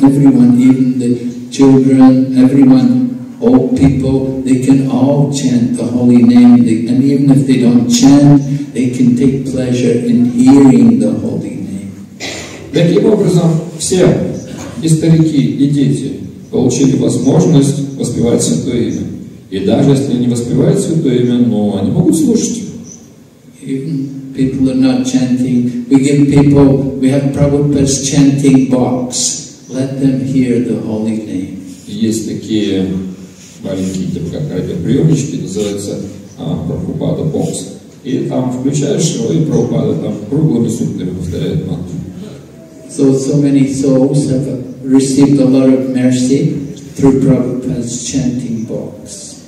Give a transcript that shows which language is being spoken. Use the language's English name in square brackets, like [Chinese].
[English] Everyone, even the children, everyone, old people, they can all chant the holy name. And even if they don't chant, they can take pleasure in hearing the holy name. [Russian] Таким образом, все. И старики, и дети получили возможность воспевать Святое Имя. И даже если они воспевают Святое Имя, но они могут слушать его. [English] Even people are not chanting. We give people, we have Prabhupada's chanting box. Let them hear the holy name. [Russian] Есть такие маленькие, типа как радиоприемнички, называются Прабхупада Box. И там включаешь его, и Прабхупада там круглыми сутками повторяет мантру. [English] So many souls have received a lot of mercy through Prabhupada's chanting box.